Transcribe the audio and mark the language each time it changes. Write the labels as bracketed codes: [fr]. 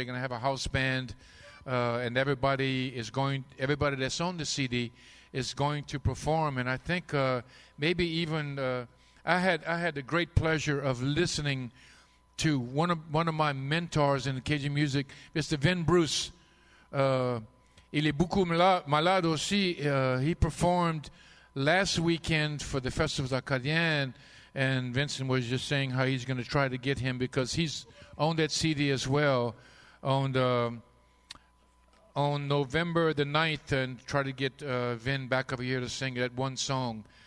[en] They're going to have a house band. And everybody that's on the CD is going to perform. And I think maybe even I had the great pleasure of listening to one of my mentors in Cajun music, Mr. Vin Bruce. [fr] Il est beaucoup malade aussi. [en] He performed last weekend for the Festivals Acadien, and Vincent was just saying how he's going to try to get him because he's on that CD as well on November the 9th and try to get Vin back over here to sing that one song.